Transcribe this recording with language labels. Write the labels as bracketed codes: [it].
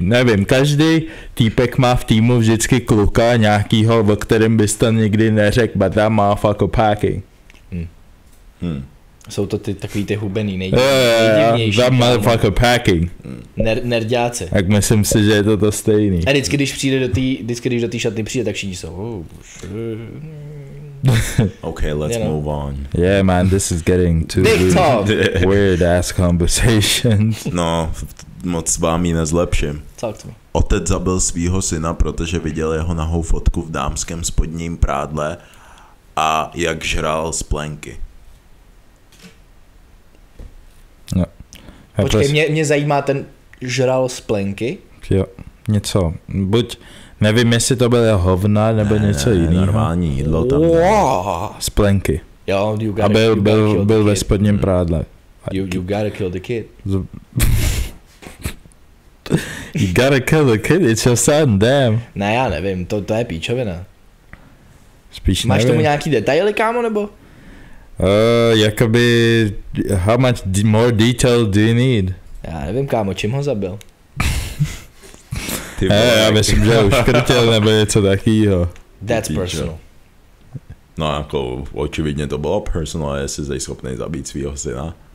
[cs] Nevím, každý týpek má v týmu vždycky kluka nějakýho, o kterém byste nikdy neřekl, [en] but that motherfucker packing. [cs] Jsou to ty takový ty hubený, nejdivnější. [en] That motherfucker packing. [cs] Nerďáci. Tak myslím si, že je to to stejný. A vždycky, když přijde do tý, vždycky, když do tý šatny přijde, tak všichni jsou. [en] Okay, let's move on. Yeah, man, this is getting too weird ass conversation. [cs] No, moc vám ji nezlepším. [en] Talk to me. [cs] Otec zabil svýho syna, protože viděl jeho nahou fotku v dámském spodním prádle a jak žral z plenky. No. Počkej, mě zajímá ten žral z plenky. Jo, něco. Buď... Nevím, jestli to byl hovna nebo ne, něco jiného. Normální jídlo tam. Wow. Z plenky. [en] Jo, you gotta, [cs] a byl ve spodním prádle. [en] You gotta kill the kid. You gotta kill the kid, it's your son, damn. [cs] Ne, já nevím, to je píčovina. Spíš máš nevím. Tomu nějaký detaily, kámo, nebo? [en] Jakoby, how much more detail do you need? [cs] Já nevím, kámo, čím ho zabil? Já myslím, že uškrtěl nebo něco takýho. [en] That's personal. [cs] No jako očividně to bylo personal, jestli jsi schopný zabít svýho syna.